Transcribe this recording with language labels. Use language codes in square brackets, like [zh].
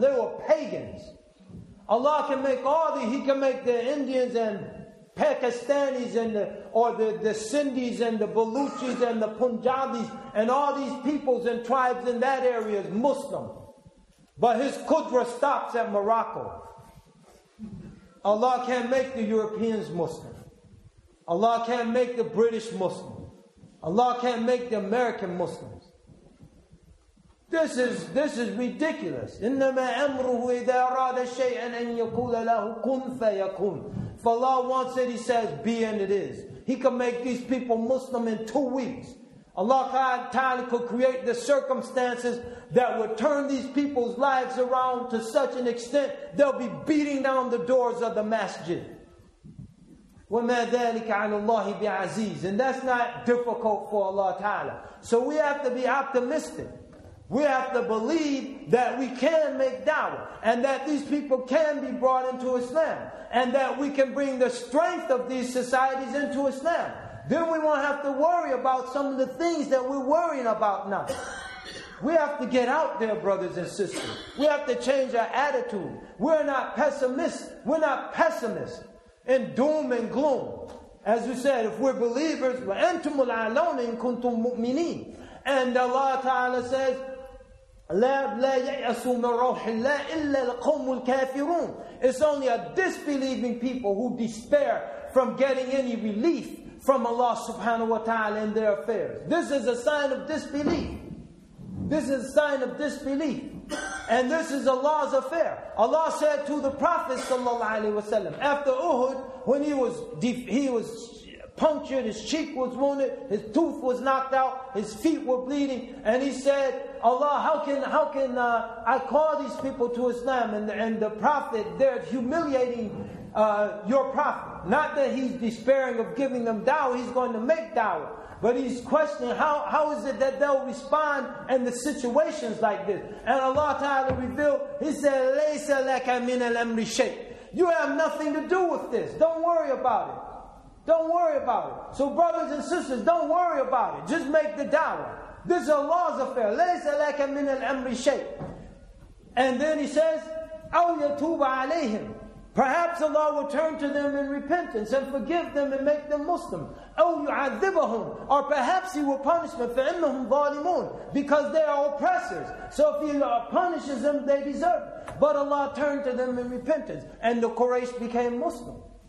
[en] They were pagans. Allah can make all the, He can make the Indians and Pakistanis and the, or the Sindhis and the Baluchis and the Punjabis and all these peoples and tribes in that area is Muslim. But His Qudra stops at Morocco. Allah can't make the Europeans Muslim. Allah can't make the British Muslim. Allah can't make the American Muslim. This is ridiculous. [ar] إِنَّمَا أَمْرُهُ إِذَا أَرَادَ شَيْئًا أَنْ يَقُولَ لَهُ كُنْ فَيَكُونَ. [en] If Allah wants it, He says, be and it is. He can make these people Muslim in 2 weeks. Allah Ta'ala could create the circumstances that would turn these people's lives around to such an extent they'll be beating down the doors of the masjid. [ar] وَمَا ذَلِكَ عَلَى اللَّهِ بِعَزِيزٍ. [en] And that's not difficult for Allah Ta'ala. So we have to be optimistic. We have to believe that we can make da'wah and that these people can be brought into Islam and that we can bring the strength of these societies into Islam. Then we won't have to worry about some of the things that we're worrying about now. We have to get out there, brothers and sisters. We have to change our attitude. We're not pessimists. We're not pessimists in doom and gloom. As we said, if we're believers, [ar] وَأَنْتُمُ الْعَلَوْنَ إِن كُنْتُمْ مُؤْمِنِينَ. [en] And Allah Ta'ala says, [ar] لَا يَيْأَسُوا مِنْ رَوْحِ اللَّهِ إِلَّا الْقَوْمُ الْكَافِرُونَ. [en] It's only a disbelieving people who despair from getting any relief from Allah subhanahu wa ta'ala in their affairs. This is a sign of disbelief. This is a sign of disbelief. And this is Allah's affair. Allah said to the Prophet sallallahu alaihi wasallam, after Uhud, when he was punctured, his cheek was wounded, his tooth was knocked out, his feet were bleeding, and he said, Allah, how can I call these people to Islam? And the Prophet, they're humiliating your Prophet. Not that he's despairing of giving them da'wah, he's going to make da'wah. But he's questioning, how is it that they'll respond in the situations like this? And Allah Ta'ala revealed, He said, [ar] لَيْسَ لَكَ مِنَ الْأَمْرِ شَيْءٍ. [en] You have nothing to do with this. Don't worry about it. Don't worry about it. So brothers and sisters, don't worry about it. Just make the da'wah. This is Allah's affair. [ar] لَيْسَ لَكَ مِنَ الْأَمْرِ شَيْءٍ. [en] And then He says, [ar] أَوْ يَتُوبَ عَلَيْهِمْ. [en] Perhaps Allah will turn to them in repentance and forgive them and make them Muslim. Or perhaps He will punish them, [ar] فَإِنَّهُمْ ظَالِمُونَ, [en] because they are oppressors. So if He punishes them, they deserve it. But Allah turned to them in repentance, and the Quraysh became Muslim.